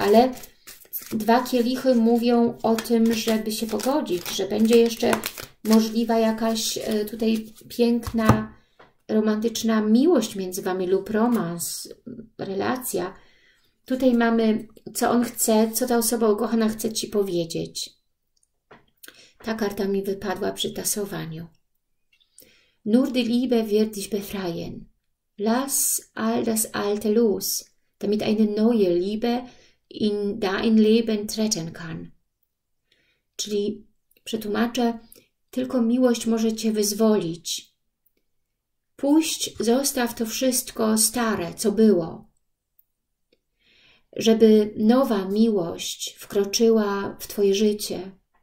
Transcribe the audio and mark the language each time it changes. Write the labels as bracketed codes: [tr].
[pl] Ale dwa kielichy mówią o tym, żeby się pogodzić, że będzie jeszcze możliwa jakaś tutaj piękna, romantyczna miłość między wami lub romans, relacja. Tutaj mamy, co on chce, co ta osoba ukochana chce ci powiedzieć. Ta karta mi wypadła przy tasowaniu. [de] Nur die Liebe wird dich befreien. Lass all das Alte los, damit eine neue Liebe in dein Leben treten kann. [pl] Czyli przetłumaczę, tylko miłość może cię wyzwolić. Puść, zostaw to wszystko stare, co było, żeby nowa miłość wkroczyła w twoje życie.